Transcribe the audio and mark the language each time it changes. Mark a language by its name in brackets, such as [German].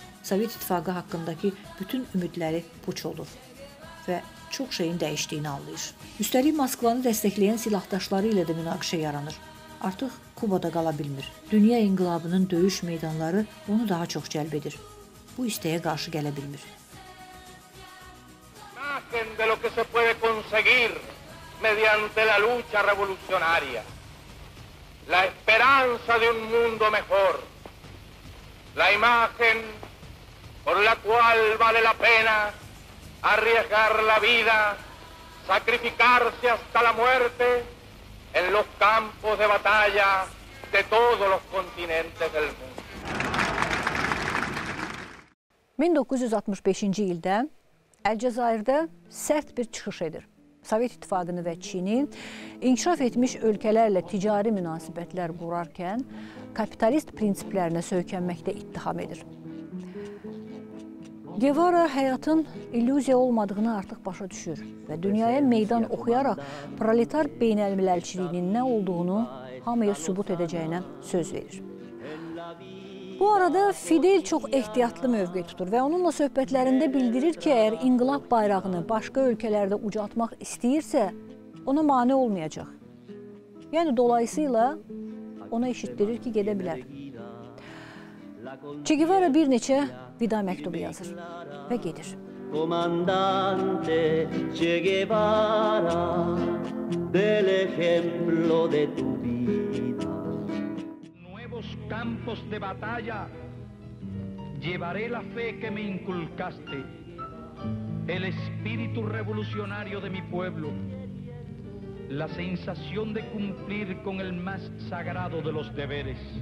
[Azerbaijani] Sovet İttifaqı haqqındakı bütün ümidləri puç olur və çox şeyin dəyişdiyini anlayır. Üstəlik Moskvanı dəstəkləyən silahdaşları ilə də münaqişə yaranır. Artıq Kubada qala bilmir. Dünya inqilabının döyüş meydanları onu daha çox cəlb edir. Bu istəyə qarşı gələ bilmir. [Spanish] Imagen de lo que se puede conseguir mediante la lucha revolucionaria. La esperanza de un mundo mejor. La imagen por la cual vale la pena arriesgar la vida, sacrificarse hasta la muerte en los campos de batalla de todos los continentes del mundo. [Azerbaijani] 1965-ci ildə Əlcəzairdə sərt bir çıxış edir. Sovet İttifaqını və Çini inkişaf etmiş ölkələrlə ticari münasibətlər qurarkən kapitalist prinsiplərinə söykənməkdə ittiham edir. Guevara həyatın illüziya olmadığını artıq başa düşür və dünyaya meydan oxuyaraq proletar beynəlmiləlçiliyinin nə olduğunu hamıya sübut edəcəyinə söz verir. Bu arada Fidel çox ehtiyatlı mövqe tutur və onunla söhbətlərində bildirir ki, əgər inqilab bayrağını başqa ölkələrdə ucatmaq istəyirsə, ona mane olmayacaq. Yəni, dolayısıyla ona eşitdirir ki, gedə bilər. Che Guevara bir neçə vida məktubu yazır və gedir. [Spanish] Comandante Che Guevara, del ejemplo de tu vida. Nuevos campos de batalla, llevaré la fe que me inculcaste, el espíritu revolucionario de mi pueblo, la sensación de cumplir con el más sagrado de los deberes.